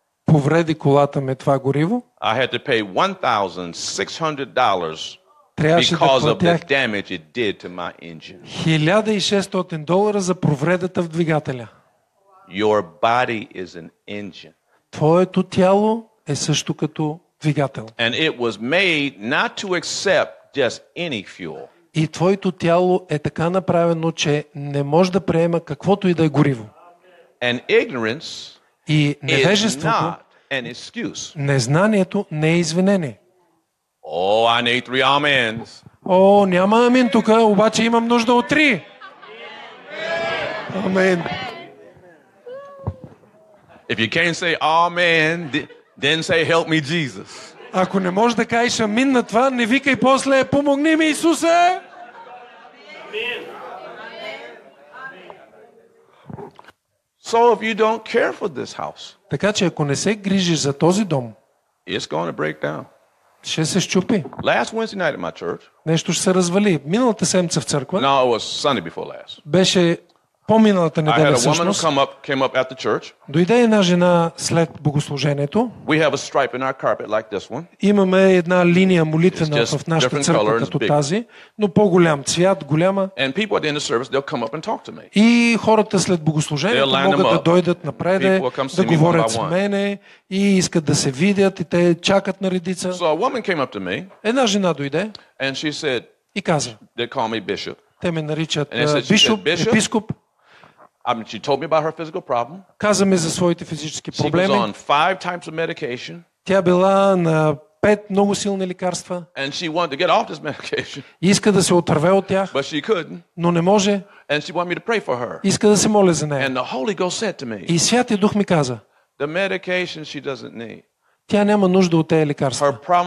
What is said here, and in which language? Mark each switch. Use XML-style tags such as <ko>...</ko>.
<bg>Повреди колата ми това гориво.</bg> <en>I had to pay $1,600.</en> <bg>Трябваше</bg> <en>because</en> <bg>да</bg> <en>of the damage it did to my engine.</en> <bg>$1,600 за повредата в двигателя.</bg> <en>Your body is an engine.</en> <bg>Твоето тяло е също като двигател.</bg> <en>And it was made not to accept just any fuel.</en> <bg>И твоето тяло е така направено, че не може да приема каквото и да е гориво.</bg> <en>And ignorance</en> <bg>и невежеството, незнанието не е извинение.</bg> <en>Oh, I need three amens.</en> <bg>О, няма амин тук, обаче имам нужда от три. Амен.</bg> <en>If you can't say amen, then say help me Jesus.</en> <bg>Ако не можеш да кажеш амин на това, не викай после помогни ми Исусе.</bg> <en>So if you don't care for this house.</en> <bg>Така че ако не се грижиш за този дом,</bg> <en>it's going to break down.</en> <bg>Ще се счупи.</bg> <en>Last Wednesday night at my church.</en> <bg>Нещо ще се развали. Миналата седмица в църква.</bg> <en>No, it was Sunday before last.</en> <bg>Беше по-миналата неделя всъщност.</bg> <en>I had a woman came up at the church.</en> <bg>Дойде една жена след богослужението.</bg> <en>We have a stripe in our carpet like this one.</en> <bg>Имаме една линия молитвена в нашата църква като тази, но по-голям цвят, голяма.</bg> <en>And people at the end of service, they'll come up and talk to me.</en> <bg>И хората след богослужението могат да дойдат напред, да говорят с мене и искат да се видят и те чакат на редица.</bg> <en>So a woman came up to me.</en> <bg>Една жена дойде.</bg> <en>And she said.</en> <bg>И каза.</bg> <en>They call me bishop.</en> <bg>Те ме наричат бишоп, епископ.</bg> <en>I mean, she told me about her physical problem.</en> <bg>Каза ми за своите физически проблеми.</bg> <en>She was on five types of medication.</en> <bg>Тя била на пет много силни лекарства.</bg> <en>And she wanted to get off this medication.</en> <bg>Иска да се отърве от тях.</bg> <en>But she couldn't.</en> <bg>Но не може.</bg> <en>And she wanted me to pray for her.</en> <bg>Иска да се моля за нея.</bg> <en>And the Holy Ghost said to me.</en> <bg>И Святия Дух ми каза.</bg> <en>The medication she doesn't need.</en> <bg>Тя няма нужда от тези лекарства.</bg>